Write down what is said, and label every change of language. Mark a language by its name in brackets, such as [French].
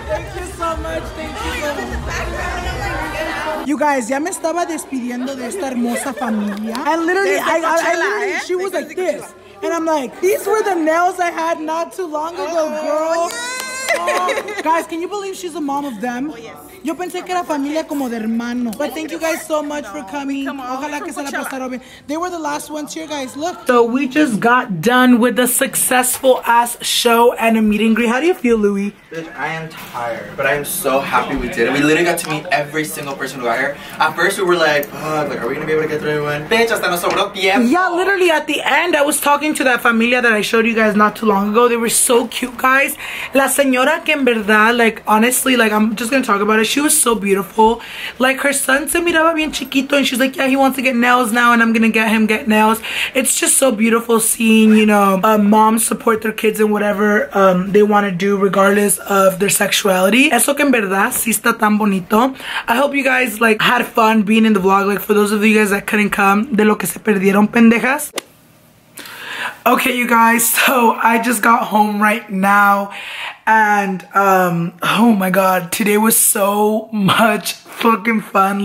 [English] Thank you so much, thank you so much. You guys, ya me estaba despidiendo de esta hermosa familia. And literally, I literally, she was like this. And I'm like, these were the nails I had not too long ago, girl. Guys, can you believe she's a mom of them? [Spanish] Yo pensé que era familia como de hermano. [English] But thank you guys so much for coming. Ojalá que se la pasara bien. They were the last ones here, guys. Look. So we just got done with a successful ass show and a meet and greet. How do you feel, Louie? Bitch, I am tired, but I am so happy we did it. We literally got to meet every single person who got here. At first, we were like, are we gonna be able to get through everyone? Bitch, hasta nos sobró tiempo. Yeah, literally at the end, I was talking to that familia that I showed you guys not too long ago. They were so cute, guys. La señora que en verdad, like, honestly, like, I'm just gonna talk about it. She was so beautiful. Like, her son se miraba bien chiquito, and she's like, yeah, he wants to get nails now, and I'm gonna get him get nails. It's just so beautiful seeing, you know, moms support their kids in whatever they want to do, regardless of their sexuality. [Spanish] Eso que en verdad sí está tan bonito. [English] I hope you guys like had fun being in the vlog. Like, for those of you guys that couldn't come, de lo que se perdieron, pendejas. Okay, you guys, so I just got home right now, and oh my god, today was so much fucking fun.